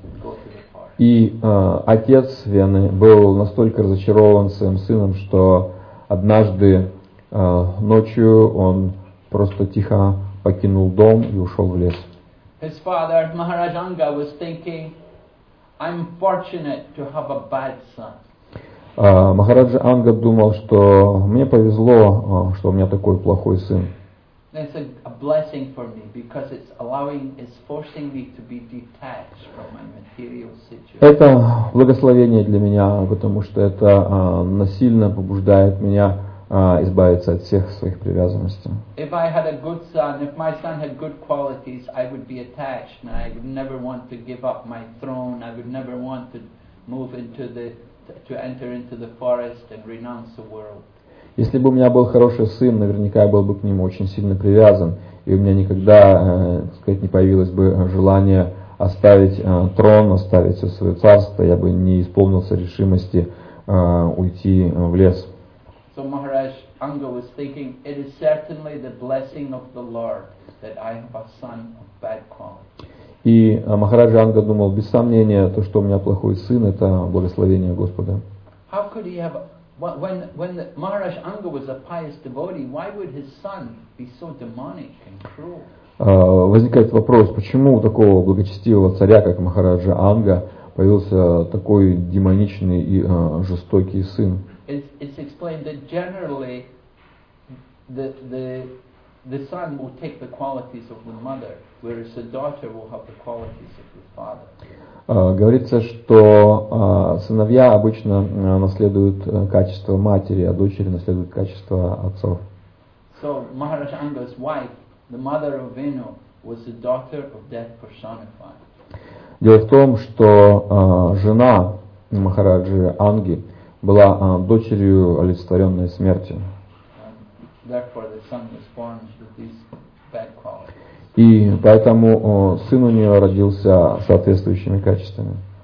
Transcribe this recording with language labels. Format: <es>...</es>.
<en>and go to the forest.</en> <ru>И отец Вены был настолько разочарован своим сыном, что однажды ночью он просто тихо покинул дом и ушел в лес.</ru> <en>His father, Maharaj Anga, was thinking, "I'm fortunate to have a bad son."</en> <ru>Махараджа Анга думал, что мне повезло, что у меня такой плохой сын.</ru> <en>It's a blessing for me because it's forcing me to be detached from my material situation.</en> <ru>Это благословение для меня, потому что это насильно побуждает меня избавиться от всех своих привязанностей.</ru> <en>If I had a good son, if my son had good qualities, I would be attached and I would never want to give up my throne. I would never want to move into enter into the forest and renounce the world.</en> <ru>Если бы у меня был хороший сын, наверняка я был бы к нему очень сильно привязан, и у меня никогда, так сказать, не появилось бы желание оставить трон, оставить все свое царство, я бы не исполнился решимости уйти в лес.</ru> <en>So Maharaj Anga was thinking, it is certainly the blessing of the Lord that I have a son of bad quality.</en> <ru>И Махараджа Анга думал, без сомнения, то, что у меня плохой сын, это благословение Господа.</ru> <en>How could he have... When Maharaj Anga was a pious devotee, why would his son be so demonic and cruel?</en> <ru>Возникает вопрос, почему у такого благочестивого царя, как Махараджа Анга, появился такой демоничный и жестокий сын?</ru> <en>It's explained that generally the the son will take the qualities of the mother, whereas the daughter will have the qualities of the father.</en> <ru>Говорится, что сыновья обычно наследуют качество матери, а дочери наследуют качество отцов.</ru> <en>So Maharaj Anga's wife, the mother of Venu, was the daughter of death personified.</en> <ru>Дело в том, что жена Махараджи Анги была дочерью олицетворенной смерти.</ru> <en>Therefore, the son was born with these bad qualities.</en> <ru>И поэтому сын у нее родился соответствующими качествами.</ru>